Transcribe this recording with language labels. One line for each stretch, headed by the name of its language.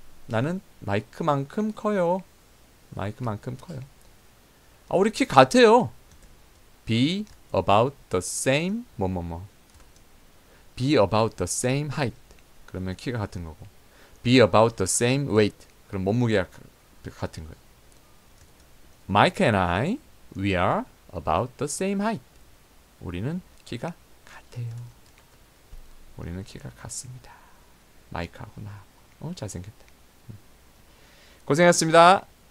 Korean: 나는 마이크만큼 커요. 마이크만큼 커요. 아, 우리 키 같아요.
English: Be about the same
Korean: 뭐뭐뭐.
English: Be about the same height.
Korean: 그러면 키가 같은 거고.
English: Be about the same weight.
Korean: 그럼 몸무게가 같은 거예요.
English: Mike and I, we are about the same height.
Korean: 우리는 키가 같아요. 우리는 키가 같습니다. 마이크하고 나하고. 어, 잘생겼다. 고생하셨습니다.